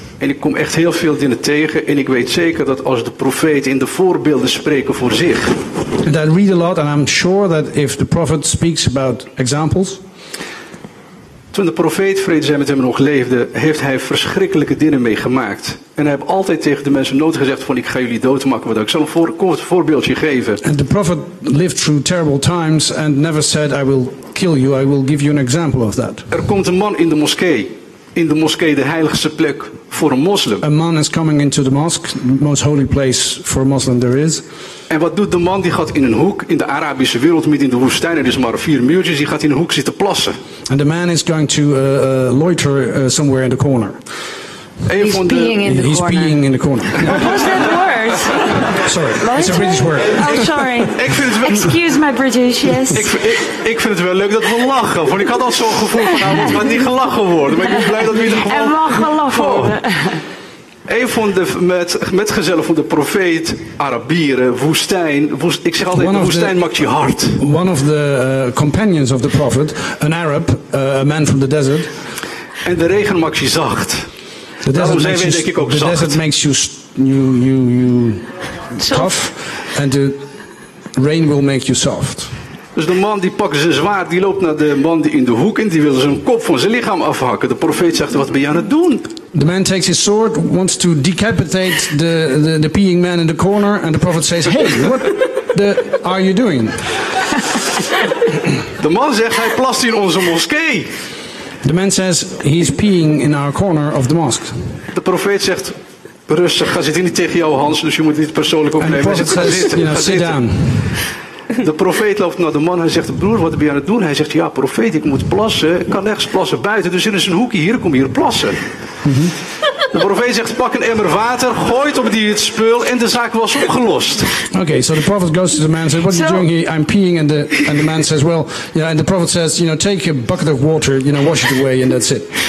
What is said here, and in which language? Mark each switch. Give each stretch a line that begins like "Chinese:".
Dutch: En ik kom echt heel veel dingen tegen. En ik weet zeker dat als de profeten in de voorbeelden spreken voor zich.
English: And I read a lot and I'm sure that if the prophet speaks about examples.
Dutch: Toen de profeet, vrede zij met hem, nog leefde, heeft hij verschrikkelijke dingen meegemaakt. En hij heeft altijd tegen de mensen nooit gezegd van ik ga jullie doodmaken. Ik zal een kort voorbeeldje geven.
English: And the prophet lived through terrible times and never said I will kill you. I will give you an example of that.
Dutch: Er komt een man in de moskee. In de moskee, de heiligste plek voor een moslim.
English: A man is coming into the mosque, the most holy place for a Muslim there is.
Dutch: En wat doet de man? Die gaat in een hoek in de Arabische wereld, midden in de woestijn, er is maar vier muurtjes, die gaat in een hoek zitten plassen.
English: And the man is going to loiter somewhere in the corner. He's peeing in the corner. What was that word? Sorry, it's a British word. Oh, sorry.
Dutch: Ik vind het wel...
English: Excuse my British, yes.
Dutch: Ik vind het wel leuk dat we lachen. Want ik had al zo'n gevoel van, nou, moet niet gelachen worden. Maar ik ben blij dat we in ieder geval... En wel gelachen worden. Een van de metgezellen van de profeet, Arabieren, woestijn. Ik zeg altijd, woestijn maakt je hard.
English: One of the companions of the prophet, an Arab, a man from the desert.
Dutch: En de regen maakt je zacht.
English: The desert,
Dutch: zijn
English: makes,
Dutch: denk ik ook
English: the
Dutch: zacht.
English: Desert makes you tough, and the rain will make you soft.
Dutch: Dus de man die pakt zijn zwaard, die loopt naar de man die in de hoek en die wil zijn kop van zijn lichaam afhakken. De profeet zegt, wat ben je aan het doen?
English: The man takes his sword, wants to decapitate the peeing man in the corner, and the prophet says, hey, what the are you doing?
Dutch: De man zegt, hij plast in onze moskee.
English: The man says he's peeing in our corner of the mosque.
Dutch: De profeet zegt, rustig, ga zitten, niet tegen jouw hands, dus je moet niet persoonlijk opnemen.
English: And the prophet says, you know, sit down.
Dutch: De profeet loopt naar de man, hij zegt, broer, wat ben je aan het doen? Hij zegt, ja, profeet, ik moet plassen, ik kan nergens plassen buiten, dus er is een hoekje hier, kom hier plassen. Mm-hmm. De profeet zegt, pak een emmer water, gooit op die het spul en de zaak was opgelost.
English: Okay, so the prophet goes to the man and says, what are you doing here? I'm peeing, and the man says, well, yeah, and the prophet says, you know, take a bucket of water, you know, wash it away, and that's it.